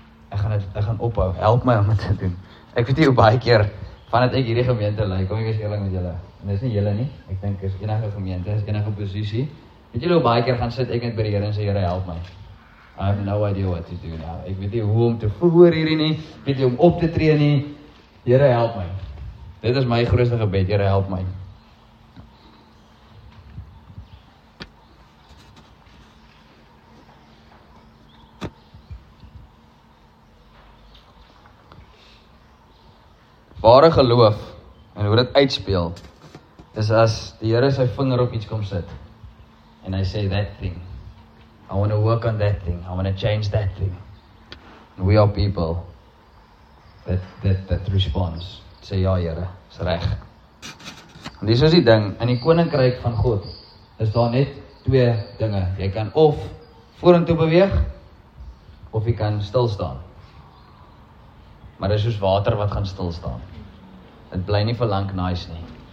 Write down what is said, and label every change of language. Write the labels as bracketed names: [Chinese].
[Afrikaans] Ek gaan ophou. Help my om dit te doen." Ek weet nie hoe baie keer vandat ek hierdie gemeente lei, kom ek weer eerlik met julle. En dis nie julle nie. Ek dink is enige gemeente, is enige posisie. Weet julle hoe baie keer gaan sit ek net by die Here en sê, "Here, help my. [English] I have no idea what to do now." [Afrikaans] Ek weet nie hoe om te verhoor hierdie nie. Ek weet nie hoe om op te tree nie. "Here, help my." Dit is my grootste gebed, "Here, help my." Ware geloof en hoe dit uitspeel is as die Here sy vinger op iets kom sit en hy sê, [English] "That thing, I want to work on that thing, I want to change that thing." And we are people that responds, sê, [Afrikaans] "Ja, Here, is reg." En dis is die ding, in die koninkryk van God is daar net twee dinge. Jy kan of vorentoe beweeg of jy kan stil staan. Maar dit is soos water wat gaan stil staan. Dit bly nie vir lank nice nie.